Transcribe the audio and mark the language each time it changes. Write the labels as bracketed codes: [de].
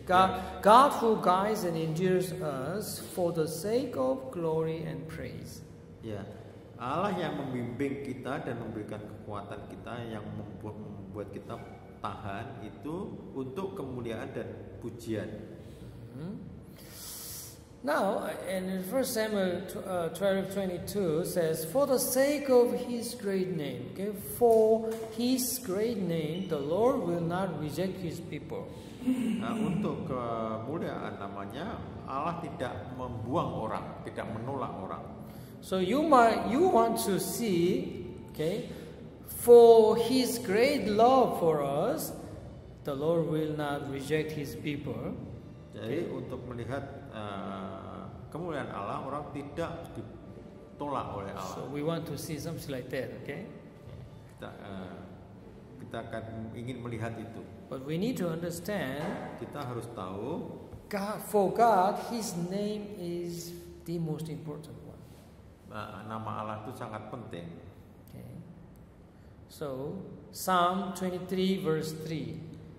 [en] God who guides and endures us for the sake of glory and praise. Yeah. [id] Allah yang membimbing kita dan memberikan kekuatan kita yang membuat kita tahan itu untuk kemuliaan dan pujian. [en] Now, in 1 Samuel 12:22 says, "For the sake of His great name, okay, for His great name, the Lord will not reject His people." [id] Untuk kemuliaan namanya, Allah tidak membuang orang, tidak menolak orang. [en] So you want to see, okay, for His great love for us, the Lord will not reject His people. [id] Jadi untuk melihat kemuliaan Allah, orang tidak ditolak oleh Allah. [en] So we want to see something like that, okay? [id] Kita akan ingin melihat itu. [en] But we need to understand. [id] Kita harus tahu. [en] For God, His name is the most important one. [id] Nama Allah itu sangat penting. [en] Okay. So Psalm 23 verse 3.